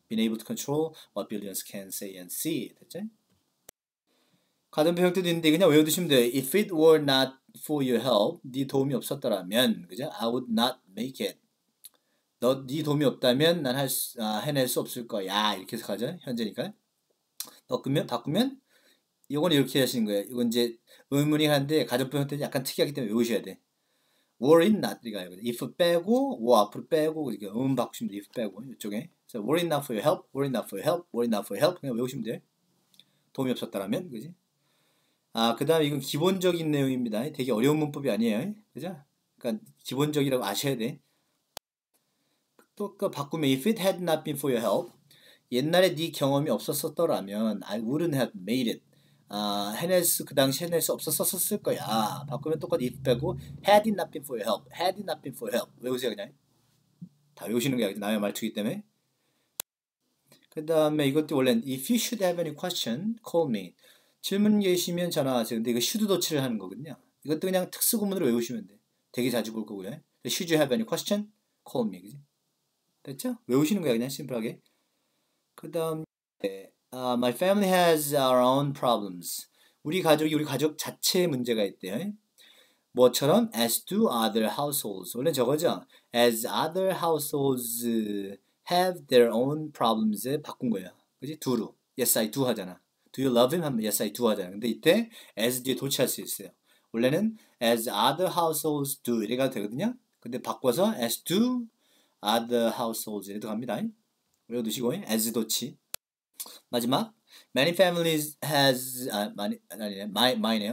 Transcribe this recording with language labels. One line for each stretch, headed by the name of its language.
English: Been able to control what billions can say and see
Korean: 됐죠? 가전 형태도 있는데 그냥 외워두시면 돼요.
English: If it were not for your help,
Korean: 네 도움이 없었더라면, 그죠?
English: I would not make it.
Korean: 네 도움이 없다면 난 해낼 수 없을 거야. 이렇게 해서 가죠. 현재니까. 바꾸면 이건 이렇게 하시는 거예요. 이건 이제 의문이 한데 가전법 형태는 약간 특이하기 때문에 외우셔야 돼.
English: Were it not
Korean: 이거 if 빼고 뭐 앞으로 빼고 이렇게 바꾸시면 돼. if 빼고 이쪽에.
English: So, were it not for your help, were it not for your help, were it not for your help
Korean: 그냥 외우시면 돼. 도움이 없었다라면 그지? 아, 그 다음에 이건 기본적인 내용입니다. 되게 어려운 문법이 아니에요. 그죠? 그러니까 기본적이라고 아셔야 돼. 또그 바꾸면
English: If it had not been for your help,
Korean: 옛날에 네 경험이 없었었더라면
English: I wouldn't have made it.
Korean: 아, 그 당시 해낼 수 없었었을 거야. 바꾸면 똑같이
English: if
Korean: 빼고
English: had it not been for your help, had it not been for your help.
Korean: 외우세요 그냥. 다 외우시는 거야. 남의 말투기 때문에. 그 다음에 이것도 원래
English: If you should have any question, call me.
Korean: 질문 계시면 전화하세요. 근데 이거 should 도치를 하는 거거든요. 이것도 그냥 특수구문으로 외우시면 돼. 되게 자주 볼 거고요.
English: Should you have any question? Call me.
Korean: 그지? 됐죠? 외우시는 거야 그냥 심플하게. 그 다음에
English: My family has our own problems.
Korean: 우리 가족 자체에 문제가 있대요. 뭐처럼
English: as do other households.
Korean: 원래 저거죠?
English: As other households have their own problems에
Korean: 바꾼 거야. 그지?
English: do로. Yes, I do
Korean: 하잖아.
English: Do you love him?
Korean: 하면
English: Yes, I do 하잖아.
Korean: 근데 이때 as 뒤에 도치할 수 있어요. 원래는
English: as other households do
Korean: 이래가 되거든요. 근데 바꿔서
English: as do other households
Korean: 이래도 갑니다. 외워두시고 as 도치. 마지막 many families has 많이 아니네 my my네요.